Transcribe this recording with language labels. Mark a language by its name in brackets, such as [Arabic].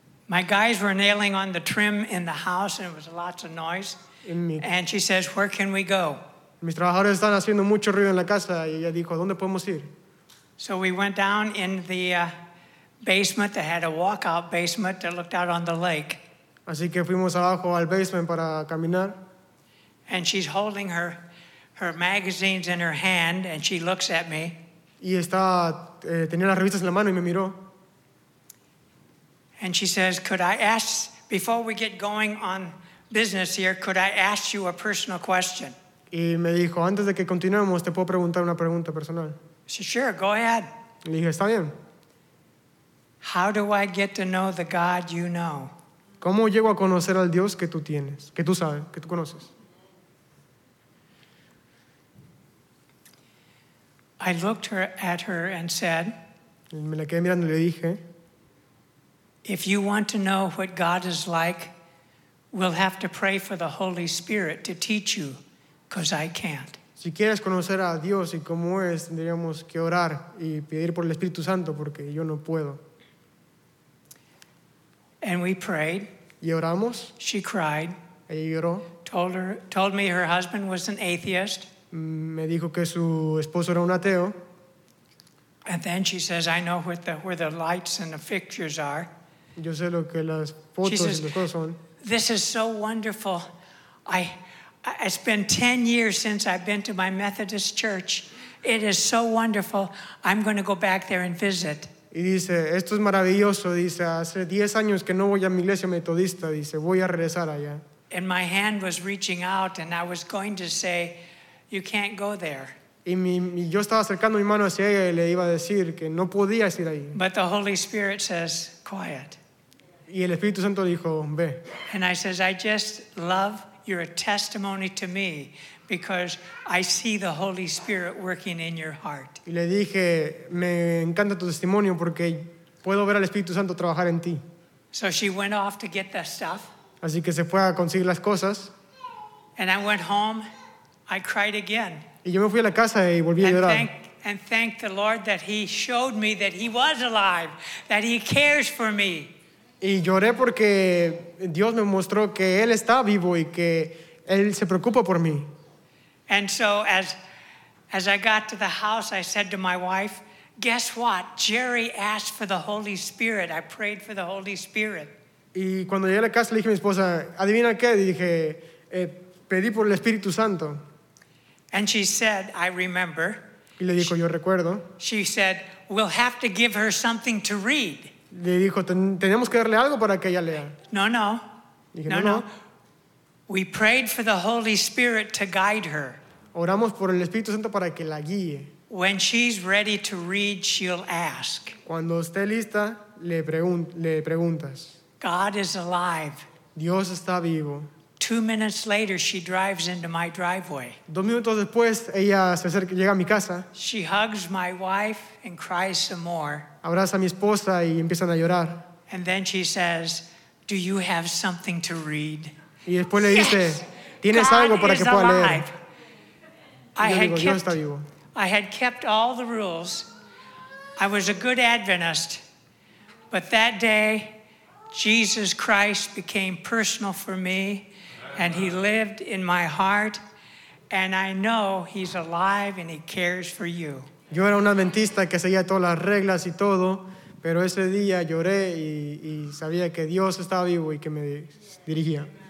[English] My guys were nailing on the trim in the house and it was lots of noise. And she says, where can we go? [Spanish] Mis trabajadores están haciendo mucho ruido en la casa y ella dijo, ¿dónde podemos ir? [English] So we went down in the basement that had a walkout basement that looked out on the lake. [Spanish] Así que fuimos abajo al basement para caminar. [English] And she's holding her magazines in her hand and she looks at me. [Spanish] Y estaba tenía las revistas en la mano y me miró. [English] And she says, could I ask, before we get going on business here, could I ask you a personal question? [Spanish] Y me dijo, antes de que continuemos, te puedo preguntar una pregunta personal. [English] She said, sure, go ahead. [Spanish] Y le dije, está bien. [English] How do I get to know the God you know? [Spanish] ¿Cómo llego a conocer al Dios que tú tienes, que tú sabes, que tú conoces? [English] I looked at her and said, [Spanish] y me la quedé mirando y le dije, [English] if you want to know what God is like, we'll have to pray for the Holy Spirit to teach you, because I can't. [Spanish] Si quieres conocer a Dios y cómo es, tendríamos que orar y pedir por el Espíritu Santo porque yo no puedo. [English] And we prayed. [Spanish] Y oramos. [English] She cried. [Spanish] Ella lloró. [English] Told me her husband was an atheist. [Spanish] Me dijo que su esposo era un ateo. [English] And then she says, I know where the lights and the fixtures are. [Spanish] Yo sé lo que las fotos [English] says, [Spanish] y las cosas son. [English] This is so wonderful. It's been 10 years since I've been to my Methodist church. It is so wonderful. I'm going to go back there and visit. [Spanish] Y dice, esto es maravilloso. Dice, hace 10 años que no voy a mi iglesia metodista. Dice, voy a regresar allá. [English] And my hand was reaching out and I was going to say, you can't go there. [Spanish] Y yo estaba acercando mi mano hacia ella y le iba a decir que no podía ir ahí. [English] But the Holy Spirit says, quiet. [Spanish] Y el Espíritu Santo dijo, ve. [English] And I says, I just love your testimony to me because I see the Holy Spirit working in your heart. [Spanish] Y le dije, me encanta tu testimonio porque puedo ver al Espíritu Santo trabajar en ti. [English] So she went off to get the stuff. [Spanish] Así que se fue a conseguir las cosas. [English] And I went home, I cried again. [Spanish] Y yo me fui a la casa y volví a llorar. [English] And thank, and thank the Lord that he showed me that he was alive, that he cares for me. [Spanish] Y lloré porque Dios me mostró que él está vivo y que él se preocupa por mí. [English] And so as I got to the house, I said to my wife, guess what? Jerry asked for the Holy Spirit. I prayed for the Holy Spirit. [Spanish] Y cuando llegué a la casa le dije a mi esposa, adivina qué, dije, pedí por el Espíritu Santo. [English] And she said, I remember. [Spanish] Y le dijo, yo recuerdo. [English] She said, we'll have to give her something to read. [Spanish] Le dijo, tenemos que darle algo para que ella lea. [English] No, no. [Spanish] Dije, no. [English] We prayed for the Holy Spirit to guide her. [Spanish] Oramos por el Espíritu Santo para que la guíe. [English] When she's ready to read, she'll ask. [Spanish] Cuando esté lista, le preguntas. [English] God is alive. [Spanish] Dios está vivo. [English] 2 minutes later, she drives into my driveway. [Spanish] 2 minutos después, ella se acerca, llega a mi casa. [English] She hugs my wife and cries some more. [Spanish] Abraza a mi esposa y empiezan a llorar. [English] And then she says, do you have something to read? [Spanish] Y después le dice, ¿tienes algo para que pueda leer? [English] I had kept all the rules. I was a good Adventist. But that day, Jesus Christ became personal for me, and he lived in my heart, and I know he's alive and he cares for you. [Spanish] Yo era un adventista que seguía todas las reglas y todo, pero ese día lloré y sabía que Dios estaba vivo y que me dirigía.